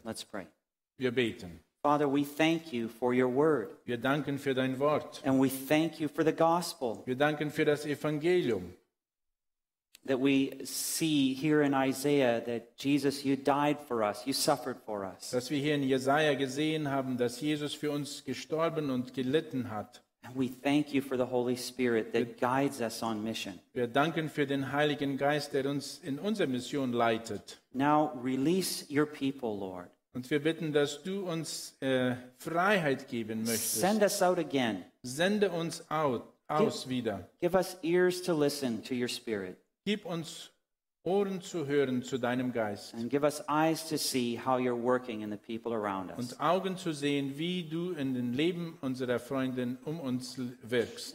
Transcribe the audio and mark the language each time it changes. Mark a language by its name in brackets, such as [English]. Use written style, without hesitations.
[English] Let's pray. [German] Wir beten. [English] Father, we thank you for your word. [German] Wir danken für dein Wort. [English] And we thank you for the gospel. [German] Wir danken für das Evangelium. [English] That we see here in Isaiah that Jesus, you died for us, you suffered for us. [German] Dass wir hier in Jesaja gesehen haben, dass Jesus für uns gestorben und gelitten hat. [English] And we thank you for the Holy Spirit that guides us on mission. [German] Wir danken für den Heiligen Geist, der uns in unsere Mission leitet. [English] Now release your people, Lord. [German] Und wir bitten, dass du uns Freiheit geben möchtest. [English] Send us out again. [German] Sende uns aus wieder. [English] Give us ears to listen to your Spirit. [German] Gib uns Ohren zu hören zu deinem Geist. [English] And give us eyes to see how you're working in the people around us. [German] Und Augen zu sehen, wie du in den Leben unserer Freundin um uns wirkst.